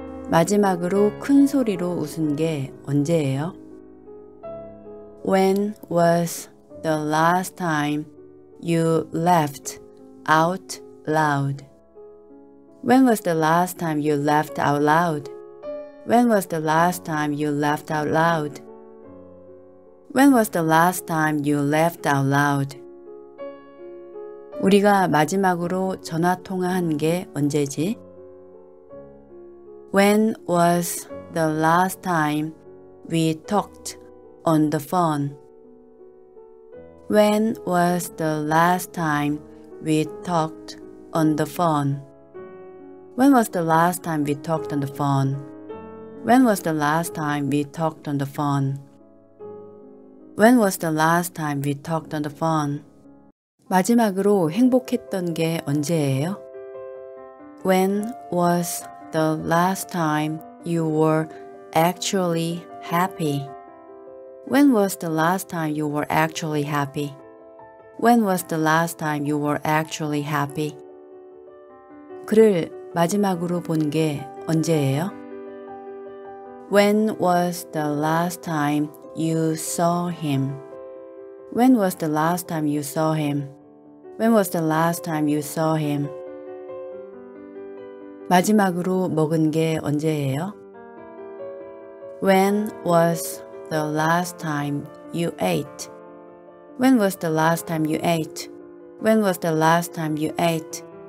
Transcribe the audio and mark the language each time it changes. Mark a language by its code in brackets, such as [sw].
[ko] 마지막으로 큰 소리로 웃은 게 언제예요? [en] When was the last time you laughed out loud? When was the last time you laughed out loud? When was the last time you laughed out loud? When was the last time you laughed out loud? [ko] 우리가 마지막으로 전화 통화한 게 언제지? [en] When was the last time we talked on the phone? When was the last time we talked on the phone? When was the last time we talked on the phone? When was the last time we talked on the phone? When was the last time we talked on the phone? [ko] 마지막으로 행복했던 게 언제예요? [en] When was the last time you were actually happy? When was the last time you were actually happy? When was the last time you were actually happy? [ko] 그를 마지막으로 본 게 언제예요? [en] When was the last time you saw him? When was the last time you saw him? When was the last time you saw him? [ko] 마지막으로 먹은 게 언제예요? [en] When was the last time you ate? When was the last time you ate? When was the last time you ate?